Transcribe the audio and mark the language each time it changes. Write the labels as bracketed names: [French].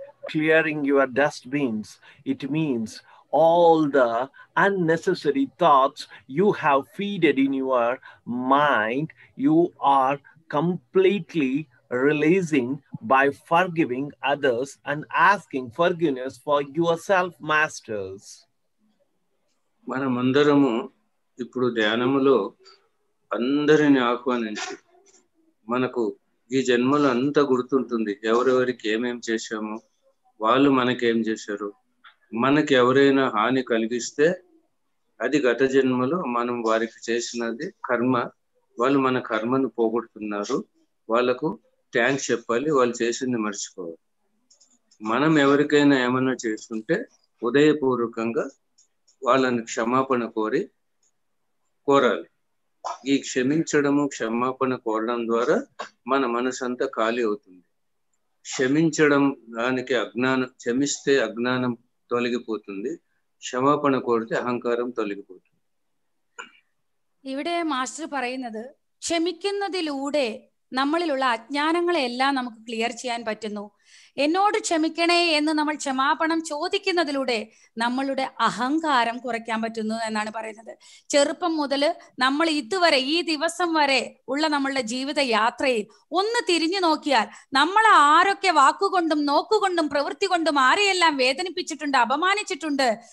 [English] Clearing your dustbins, it means all the unnecessary thoughts you have feeded in your mind, you are completely releasing by forgiving others and asking forgiveness for yourself, masters. [Telugu] మనం అందరము ఇప్పుడు ధ్యానములో అందరిని ఆహ్వానించి మనకు ఈ జన్మలో అంతా గుర్తుంటుంది, ఎవరెవరికి ఏమేమి చేశామో, వాళ్ళు మనకేం చేశారు, మనకి ఎవరైనా హాని కలిగిస్తే అది గత జన్మలో మనం వారికి చేసినది కర్మ వాళ్ళు మన కర్మను పోగొడుతున్నారు వాళ్ళకు థాంక్స్ చెప్పాలి వాళ్ళు చేసింది మర్చిపోవాలి మనం ఎవరికైనా ఏమన్నా చేస్తుంటే ఉదయపూర్వకంగా వాళ్ళని క్షమాపణ కోరి కోరాలి ఈ క్షమించడము క్షమాపణ కోరడం ద్వారా మన మనసంతా ఖాళీ అవుతుంది క్షమించడం దానికి అజ్ఞానం క్షమిస్తే అజ్ఞానం తొలగిపోతుంది క్షమాపణ కోరితే అహంకారం తొలగిపోతుంది [Malayalam] ఇവിടെ మాస్టర్ പറയുന്നു క్షమికనదిలൂടെ നമ്മളിലുള്ള അജ്ഞാനങ്ങളെല്ലാം നമുക്ക് ക്ലിയർ ചെയ്യാൻ പറ്റുന്നു എന്നോട് ക്ഷമിക്കണേ എന്ന് നമ്മൾ ക്ഷമാപണം ചോദിക്കുന്നതിലൂടെ നമ്മളുടെ അഹങ്കാരം കുറയ്ക്കാൻ പറ്റുന്നു എന്നാണ് പറയുന്നത് ചെറുപ്പം മുതൽ നമ്മൾ ഇതുവരെ ഈ ദിവസം വരെ ഉള്ള നമ്മളുടെ ജീവിത യാത്രയിൽ ഒന്ന് തിരിഞ്ഞു നോക്കിയാൽ നമ്മൾ ആരൊക്കെ വാക്കുകൊണ്ടും നോക്കുകൊണ്ടും പ്രവൃത്തി കൊണ്ടും ആരെയെല്ലാം വേദനിപ്പിച്ചിട്ടുണ്ട് അപമാനിച്ചിട്ടുണ്ട്